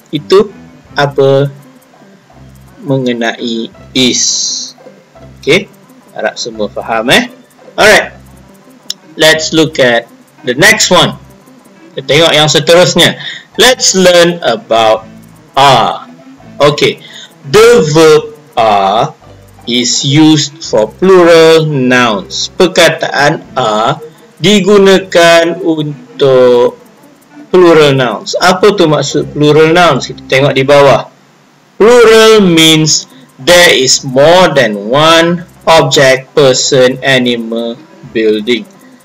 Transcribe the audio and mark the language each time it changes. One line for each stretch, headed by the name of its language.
Malay: Itu apa mengenai is. Okay? Harap semua faham eh?
English: Alright. Let's look at the next one.
Malay: Kita tengok yang seterusnya.
English: Let's learn about are. Okay. The verb are is used for plural nouns.
Malay: Perkataan are digunakan untuk plural nouns. Apa tu maksud plural nouns? Kita tengok di bawah.
English: Plural means there is more than one object, person, animal, building.